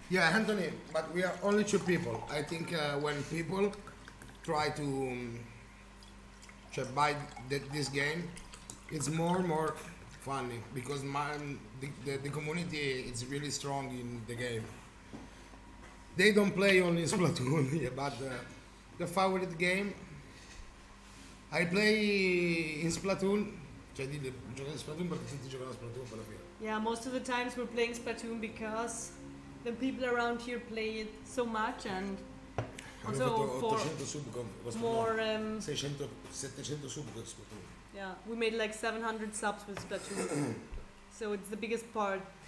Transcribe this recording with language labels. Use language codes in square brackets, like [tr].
[en] yeah, Anthony, but we are only two people. I think when people try to buy this game, it's more funny because the community is really strong in the game. They don't play only Splatoon, but the favorite game. I play in Splatoon. [it] Cioè, dite, giocate in Splatoon perché tutti giocano a Splatoon alla fine. [en] Yeah, most of the times we're playing Splatoon because the people around here play it so much and also for 800 sub more 600, 700 sub with Splatoon. Yeah, we made like 700 subs with Splatoon, so it's the biggest part.